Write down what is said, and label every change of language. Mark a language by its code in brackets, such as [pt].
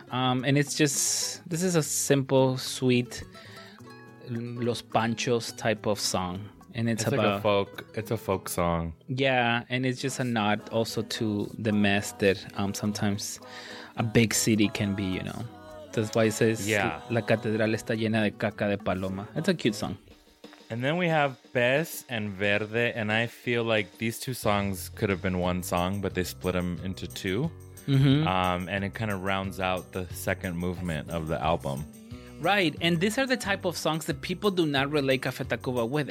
[en] And it's just, this is a simple, sweet Los Panchos type of song. And it's about, like a folk, it's a folk song. Yeah, and it's just a nod also to the mess that sometimes a big city can be, you know. That's why it says, yeah. [es] La catedral está llena de caca de paloma. [en] It's a cute song. And then we have Pez and Verde, and I feel like these two songs could have been one song, but they split them into two. Mm-hmm. And it kind of rounds out the second movement of the album. Right. And these are the type of songs that people do not relate Café Tacuba with.